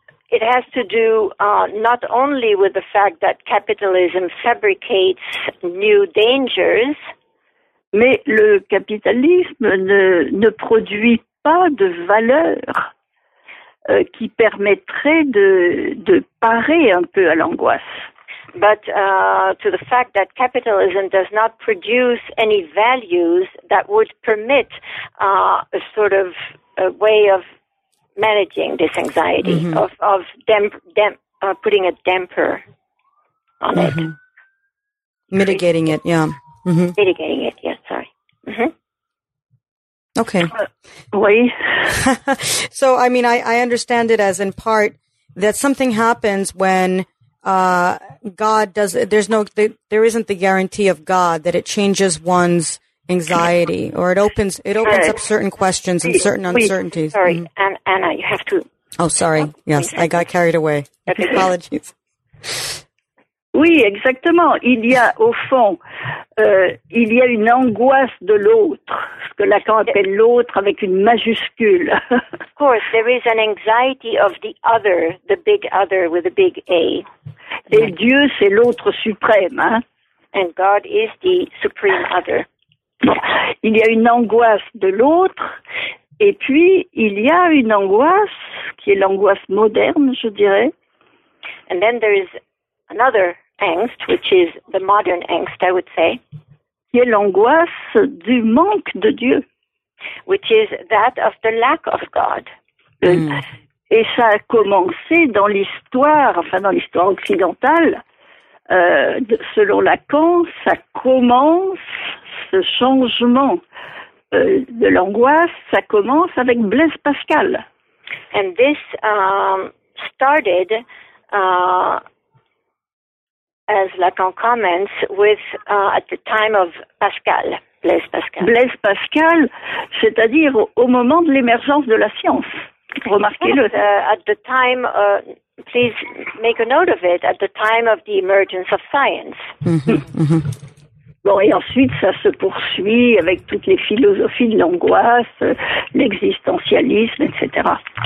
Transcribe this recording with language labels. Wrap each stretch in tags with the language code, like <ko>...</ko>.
<en>It has to do not only with the fact that capitalism fabricates new dangers,</en> <fr>mais le capitalisme ne produit pas de valeurs qui permettraient de parer un peu à l'angoisse.</fr> <en>But to the fact that capitalism does not produce any values that would permit a sort of a way of managing this anxiety, mm-hmm. Putting a damper on mm-hmm. it. Mitigating it, yeah. Mm-hmm. Mitigating it, yeah, sorry. Mm-hmm. Okay.</en> <fr>Oui.</fr> <en>So, I mean, I understand it as in part that something happens when God does. There isn't the guarantee of God that it changes one's anxiety, or it opens up certain questions and certain uncertainties. Sorry, mm-hmm. Anna, you have to. Oh, sorry. Yes, I got carried away. Apologies.</en> <fr>Oui, exactement. Il y a au fond, il y a une angoisse de l'autre, ce que Lacan appelle l'autre avec une majuscule.</fr> <en>Of course, there is an anxiety of the other, the big other with a big A.</en> <fr>Et Dieu, c'est l'autre suprême. Hein?</fr> <en>And God is the supreme other.</en> <fr>Bon. Il y a une angoisse de l'autre, et puis il y a une angoisse qui est l'angoisse moderne, je dirais.</fr> <en>And then there is another angst, which is the modern angst, I would say.</en> <fr>Qui est l'angoisse du manque de Dieu.</fr> <en>Which is that of the lack of God. Mm.</en> <fr>Et ça a commencé dans l'histoire, enfin dans l'histoire occidentale, selon Lacan, ça commence, ce changement de l'angoisse, ça commence avec Blaise Pascal.</fr> <en>And this started, as Lacan comments, with at the time of Pascal, Blaise Pascal.</en> <fr>Blaise Pascal, c'est-à-dire au moment de l'émergence de la science. Remarquez-le.</fr> <en>At the time, please make a note of it, at the time of the emergence of science.</en> <fr>Bon, et ensuite, ça se poursuit avec toutes les philosophies de l'angoisse, l'existentialisme, etc.</fr>